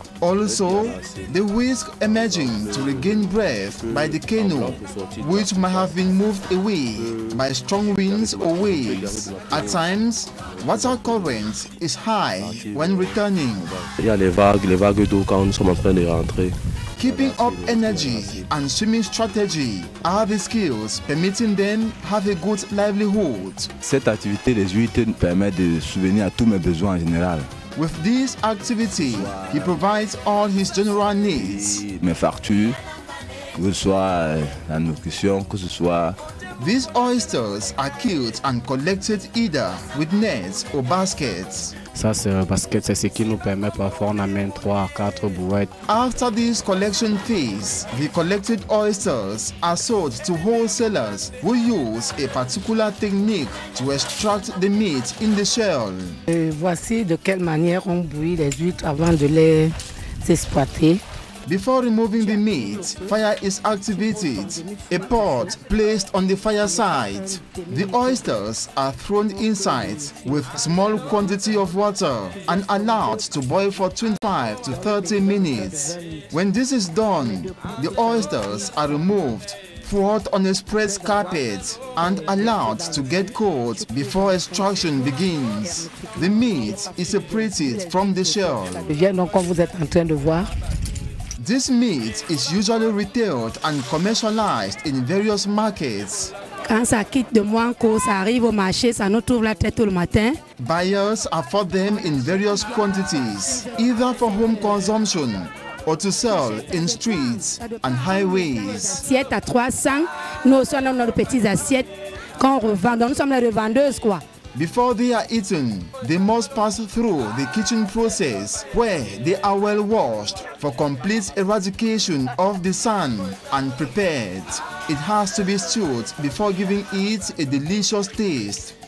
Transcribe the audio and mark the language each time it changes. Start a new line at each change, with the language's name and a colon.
English: Also, the risk emerging to regain breath by the canoe, which might have been moved away by strong winds or waves. At times, water current is high when returning. Keeping up energy and swimming strategy are the skills permitting them have a good livelihood.
French: Cette activité des huîtres permet de subvenir à tous mes besoins en général.
English: With this activity, he provides all his general needs.
French: Mes factures, que ce soit la nutrition, que ce soit.
English: These oysters are killed and collected either with nets or baskets.
French: Ça c'est un basket, c'est ce qui nous permet parfois on amène 3 à 4 brouettes.
English: After this collection phase, the collected oysters are sold to wholesalers who use a particular technique to extract the meat in the shell.
French: Et voici de quelle manière on bouille les huîtres avant de les exploiter.
English: Before removing the meat, fire is activated, a pot placed on the fireside. The oysters are thrown inside with small quantity of water and allowed to boil for 25 to 30 minutes. When this is done, the oysters are removed, put on a spread carpet and allowed to get cold before extraction begins. The meat is separated from the shell. This meat is usually retailed and commercialized in various markets.
French: Quand ça quitte de moi en cours, ça arrive au marché, ça nous trouve la tête tout le matin.
English: Buyers afford them in various quantities, either for home consumption or to sell in streets and highways.
French: Assiette à 300, nous on a nos petites assiettes qu'on revend. Nous sommes les revendeuses quoi.
English: Before they are eaten, they must pass through the kitchen process where they are well washed for complete eradication of the sand and prepared. It has to be stewed before giving it a delicious taste.